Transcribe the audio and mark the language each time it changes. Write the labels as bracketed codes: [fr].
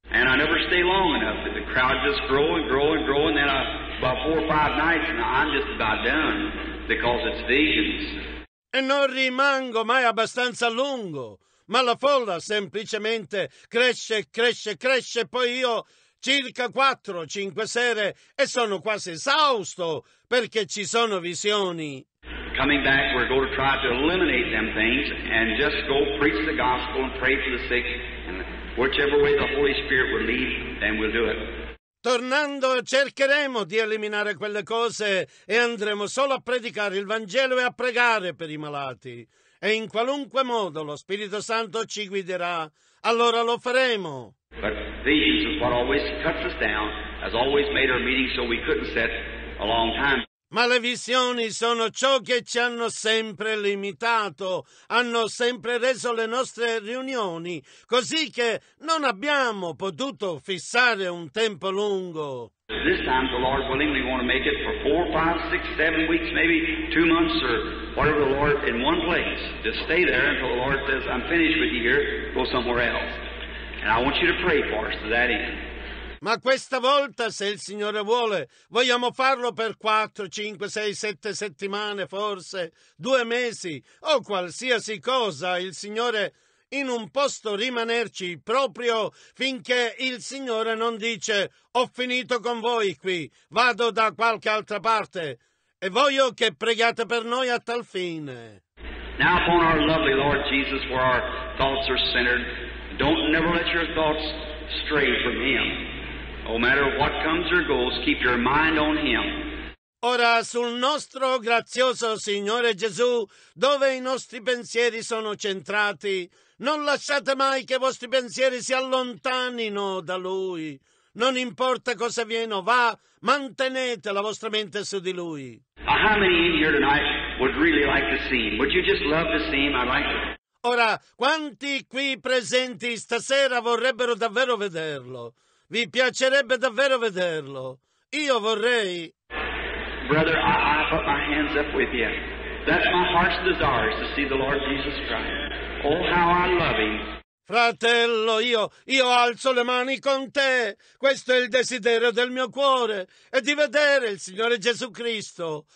[en] And I never stay long enough. The crowd just grow and grow and grow, and then about 4 or 5 nights and I'm just about done because it's visions. [it] E non rimango mai abbastanza lungo, ma la folla semplicemente cresce, cresce, cresce, poi io circa 4 o 5 sere e sono quasi esausto perché ci sono visioni. [en] Coming back, we're going to try to eliminate them things and just go preach the gospel and pray for the sick. And whichever way the Holy Spirit will lead, then we'll do it. [it] Tornando, cercheremo di eliminare quelle cose e andremo solo a predicare il Vangelo e a pregare per i malati. E in qualunque modo lo Spirito Santo ci guiderà, allora lo faremo. [en] But visions is what always cuts us down, has always made our meeting so we couldn't set a long time. [it] Ma le visioni sono ciò che ci hanno sempre limitato, hanno sempre reso le nostre riunioni, così che non abbiamo potuto fissare un tempo lungo. [en] This time the Lord willingly want to make it for 4, 5, 6, 7 weeks, maybe 2 months or whatever the Lord in one place. Just stay there until the Lord says, I'm finished with you here, go somewhere else. And I want you to pray for us to that end. [it] Ma questa volta, se il Signore vuole, vogliamo farlo per 4, 5, 6, 7 settimane, forse 2 mesi, o qualsiasi cosa, il Signore, in un posto rimanerci proprio finché il Signore non dice, ho finito con voi qui, vado da qualche altra parte, e voglio che pregate per noi a tal fine. [en] Now upon our lovely Lord Jesus, where our thoughts are centered, don't never let your thoughts stray from Him. No matter what comes or goes, keep your mind on Him. [it] Ora sul nostro grazioso Signore Gesù, dove i nostri pensieri sono centrati, non lasciate mai che i vostri pensieri si allontanino da Lui. Non importa cosa viene o va, mantenete la vostra mente su di Lui. [en] How many in here tonight would really like to see Him? Would you just love to see Him? I'd like to. [it] Ora, quanti qui presenti stasera vorrebbero davvero vederlo? Vi piacerebbe davvero vederlo. Io vorrei. [en] Brother, I put my hands up with you. That's my heart's desire, to see the Lord Jesus Christ. Oh, how I love Him. [it] Fratello, io alzo le mani con te. Questo è il desiderio del mio cuore. È di vedere il Signore Gesù Cristo.